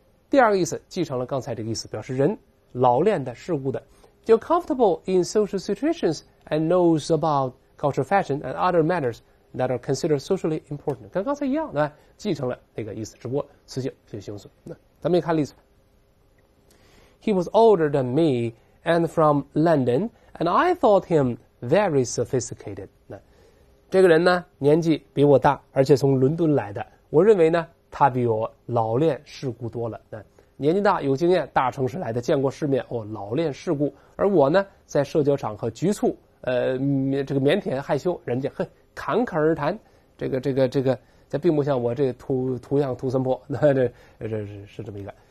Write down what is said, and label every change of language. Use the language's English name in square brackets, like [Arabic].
[Chinese] 第二个意思继承了刚才这个意思，表示人老练的、世故的，就 [English] comfortable in social situations and knows about culture, fashion and other matters that are considered socially important， [Chinese] 跟刚才一样，对吧？继承了那个意思，只不过词性就形容词。咱们一看例子， [English] He was older than me and from London and I thought him very sophisticated。 [Chinese] 这个人呢年纪比我大，而且从伦敦来的，我认为呢他比我老练世故多了，年纪大，有经验，大城市来的，见过世面，老练世故。而我呢在社交场合局促，这个腼腆害羞，人家很侃侃而谈，这个这并不像我这图样图森破，这是这么一个。